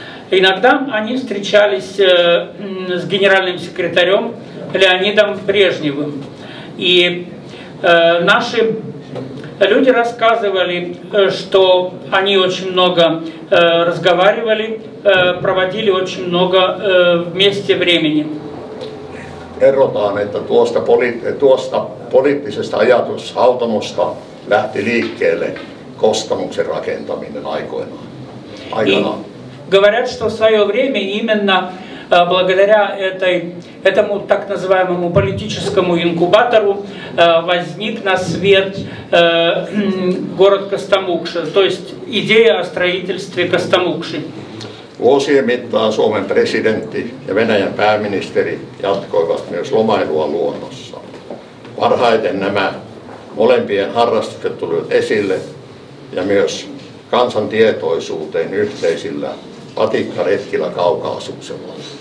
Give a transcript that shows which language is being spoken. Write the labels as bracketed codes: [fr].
[ru] Иногда они встречались с генеральным секретарем Леонидом Брежневым. И наши люди рассказывали, что они очень много разговаривали, проводили очень много вместе времени. [fi] Kerrotaan, että tuosta poliittisesta ajatushautomusta lähti liikkeelle Kostamuksen rakentaminen aikanaan. [ru] Говорят, что в свое время именно благодаря этому так называемому политическому инкубатору возник на свет город Костомукша, то есть идея о строительстве Костомукши. [fi] Vuosien mittaan Suomen presidentti ja Venäjän pääministeri jatkoivat myös lomailua luonnossa. Parhaiten nämä molempien harrastukset tulivat esille ja myös kansan tietoisuuteen yhteisillä patikkaretkillä Kaukaasuksella.